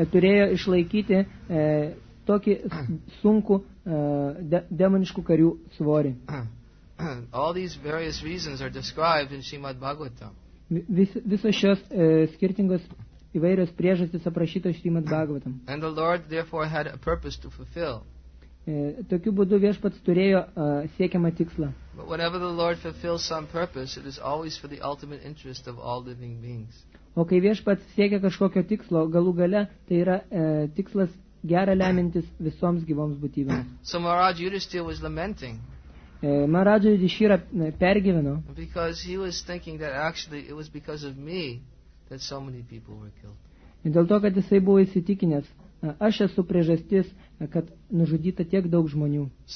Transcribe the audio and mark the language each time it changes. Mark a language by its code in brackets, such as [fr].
[lt] turėjo išlaikyti tokį sunkų demoniškų karių svorį. [en] All these various reasons are described in Srimad Bhagavatam. [lt] Visos šios skirtingos įvairios priežastys aprašytos Srimad Bhagavatam. [en] And the Lord therefore had a purpose to fulfill. [lt] Tokiu būdu viešpats turėjo siekiamą tikslą. [en] But whenever the Lord fulfills some purpose, it is always for the ultimate interest of all living beings. [lt] O kai viešpats siekia kažkokio tikslo, galų gale, tai yra tikslas gerą lemintis visoms gyvoms būtybėms. [en] So Maharaja Yudhishthira was lamenting. [lt] Maharaja Yudhishthira pergyveno. [en] Because he was thinking that actually it was because of me that so many people were killed. [lt] Dėl to, kad jisai buvo įsitikinęs, aš esu priežastis, kad nužudyta tiek daug žmonių.